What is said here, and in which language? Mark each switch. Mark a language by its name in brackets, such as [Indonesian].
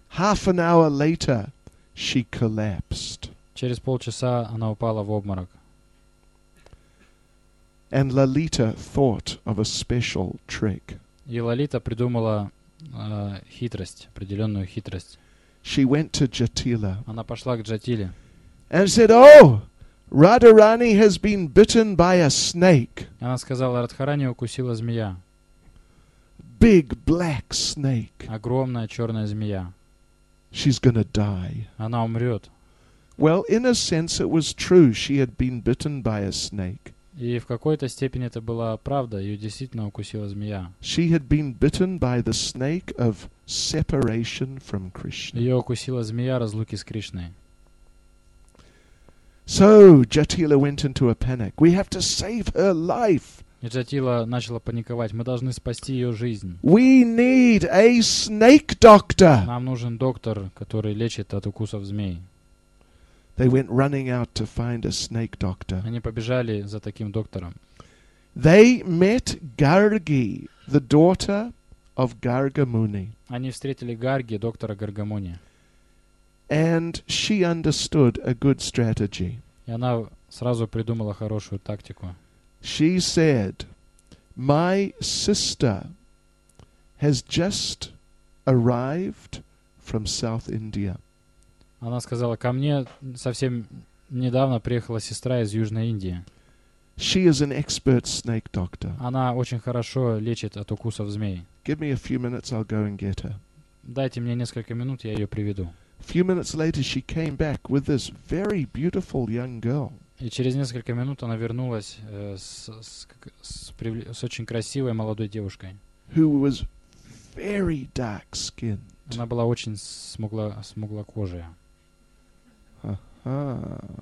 [English] Half an hour later, she collapsed. [Russian] Через полчаса она упала в обморок. [English] And Lalita thought of a special trick. [Russian] И Лалита придумала хитрость, определенную хитрость. [English] She went to Jatila. [Russian] Она пошла к Джатиле. [English] And said, "Oh, Radharani has been bitten by a snake." [Russian] Она сказала, Радхарани укусила змея. [English] Big black snake. [Russian] Огромная черная змея. [English] She's gonna die. [Russian] Она умрет. [English] Well, in a sense, it was true. She had been bitten by a snake. [Russian] И в какой-то степени это была правда, ее действительно укусила змея. [English] She had been bitten by the snake of separation from Krishna. [Russian] Ее укусила змея разлуки с Кришной. [English] So Jatila went into a panic. We have to save her life. [Russian] И Джатила начала паниковать. Мы должны спасти ее жизнь. [English] We need a snake doctor. [Russian] Нам нужен доктор, который лечит от укусов змей. [English] They went running out to find a snake doctor. [Russian] Они побежали за таким доктором. [English] They met Gargi, the daughter of Gargamuni. [Russian] Они встретили Гарги, доктора Гаргамуни. [English] And she understood a good strategy. [Russian] И она сразу придумала хорошую тактику. [English] She said, "My sister has just arrived from South India." [Russian] Она сказала, ко мне совсем недавно приехала сестра из Южной Индии. [English] She is an expert snake doctor. [Russian] Она очень хорошо лечит от укусов змей. [English] Give me a few minutes, I'll go and get her. [Russian] Дайте мне несколько минут, я ее приведу. [English] A few minutes later, she came back with this very beautiful young girl. [Russian] И через несколько минут она вернулась с очень красивой молодой девушкой. [English] Who was very dark skinned. [Russian] Она была очень смуглокожая. Ага.